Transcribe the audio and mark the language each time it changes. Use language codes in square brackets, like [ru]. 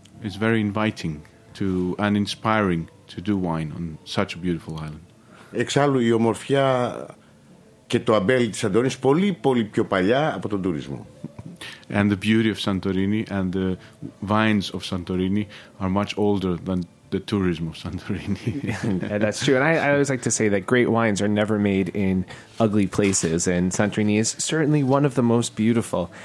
[en] It's very inviting to and inspiring to do wine on such a beautiful island. [el] Εξάλλου η ομορφιά και το αμπέλι της Σαντορίνης πολύ πολύ πιο παλιά από τον τουρισμό. [en] And the beauty of Santorini and the vines of Santorini are much older than the tourism of Santorini. And that's true. And I always like to say that great wines are never made in ugly places. And Santorini is certainly one of the most beautiful.